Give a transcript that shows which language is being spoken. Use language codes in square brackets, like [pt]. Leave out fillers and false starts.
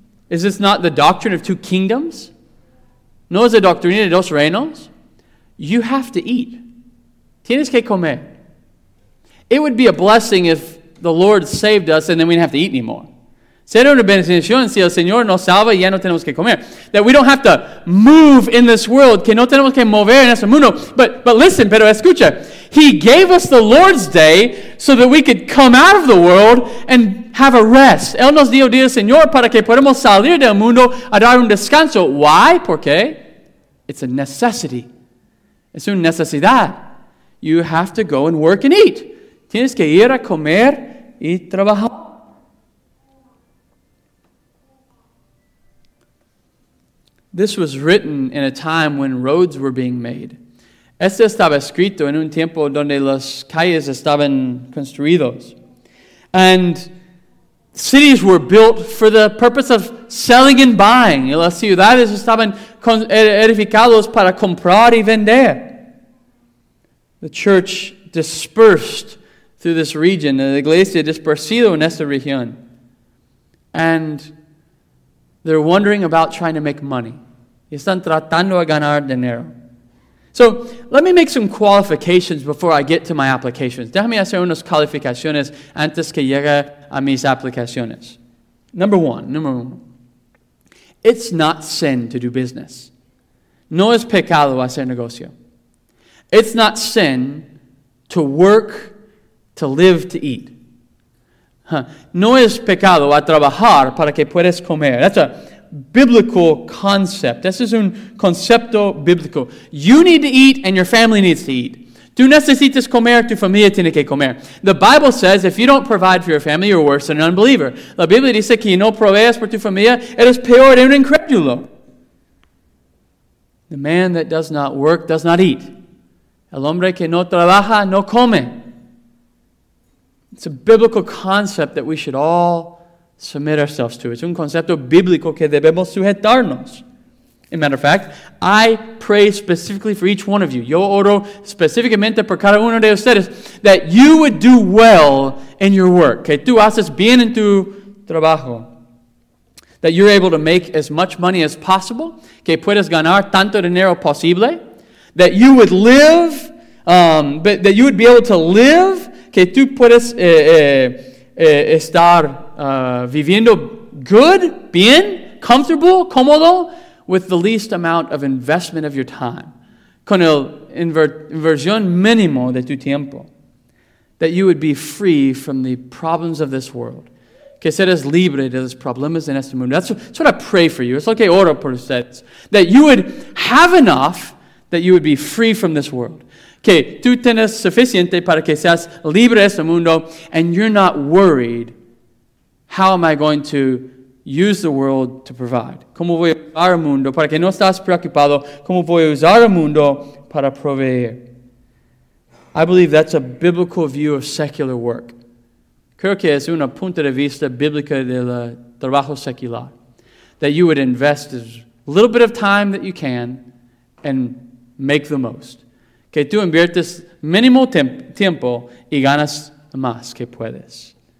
[en] Is this not the doctrine of two kingdoms? [es] No es la doctrina de dos reinos. [en] You have to eat. [es] Tienes que comer. [en] It would be a blessing if the Lord saved us and then we didn't have to eat anymore. [es] Será una bendición si el Señor nos salva y ya no tenemos que comer. [en] That we don't have to move in this world, [es] que no tenemos que mover en este mundo. [en] But listen, [es] pero escucha. [en] He gave us the Lord's Day so that we could come out of the world and have a rest. [es] Él nos dio día, Señor, para que podamos salir del mundo a dar un descanso. [en] Why? [es] ¿Por qué? [en] It's a necessity. [es] Es una necesidad. [en] You have to go and work and eat. [es] Tienes que ir a comer y trabajar. [en] This was written in a time when roads were being made. [es] Este estaba escrito en un tiempo donde las calles estaban construidos. [en] And cities were built for the purpose of selling and buying. [es] Y las ciudades estaban edificados para comprar y vender. [en] The church dispersed through this region. [es] La iglesia dispersido en esta región. [en] And they're wondering about trying to make money. [es] Y están tratando de ganar dinero. [en] So, let me make some qualifications before I get to my applications. [es] Déjame hacer unas calificaciones antes que llegue a mis aplicaciones. [en] Number one. It's not sin to do business. [es] No es pecado hacer negocio. [en] It's not sin to work, to live, to eat. [es] No es pecado a trabajar para que puedas comer. [en] That's a biblical concept. This is [es] un concepto bíblico. [en] You need to eat and your family needs to eat. [es] Tú necesitas comer, tu familia tiene que comer. [en] The Bible says if you don't provide for your family, you're worse than an unbeliever. [es] La Biblia dice que no provees por tu familia, eres peor de un incrédulo. [en] The man that does not work does not eat. [es] El hombre que no trabaja no come. [en] It's a biblical concept that we should all submit ourselves to. It's [es] un concepto bíblico que debemos sujetarnos. [en] As a matter of fact, I pray specifically for each one of you. [es] Yo oro específicamente por cada uno de ustedes [en] that you would do well in your work. [es] Que tú haces bien en tu trabajo. [en] That you're able to make as much money as possible. [es] Que puedes ganar tanto dinero posible. [en] That you would live, but that you would be able to live. [es] Que tú puedes estar viviendo [en] good, bien, comfortable, cómodo, with the least amount of investment of your time. [es] Con el inversión mínimo de tu tiempo. [en] That you would be free from the problems of this world. [es] Que seas libre de los problemas en este mundo. [en] That's what I pray for you. [es] Es lo que oro por ustedes. [en] That you would have enough, that you would be free from this world. [es] Que tú tienes suficiente para que seas libre de este mundo, [en] and you're not worried, how am I going to use the world to provide? [es] ¿Cómo voy a usar el mundo? Para que no estás preocupado, ¿cómo voy a usar el mundo para proveer? [en] I believe that's a biblical view of secular work. [es] Creo que es una punta de vista bíblica del trabajo secular. [en] That you would invest a little bit of time that you can and make the most. [es] Que tú inviertes mínimo tiempo y ganas más que puedes.